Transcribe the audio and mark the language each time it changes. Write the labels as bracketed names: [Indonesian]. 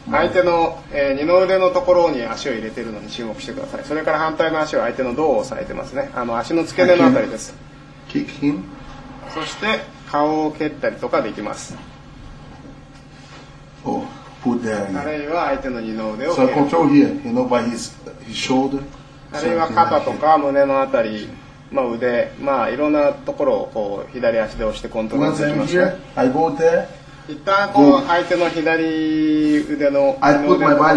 [Japanese] 相手の、二の腕のところに足を入れているのに注目してください。それから反対の足を相手の胴を押さえてますね。あの足の付け根のあたりです。 [English] Kick him。 [Japanese] そして顔を蹴ったりとかできます。あるいは相手の二の腕を、 [English] so、control here, you know, by his shoulder, [Japanese] あるいは肩とか胸のあたり、まあ、腕、まあ、いろんなところをこう左足で押してコントロールできます。 [English] Once I'm here, I go there, [Japanese] 一旦こう相手の左腕の二の腕の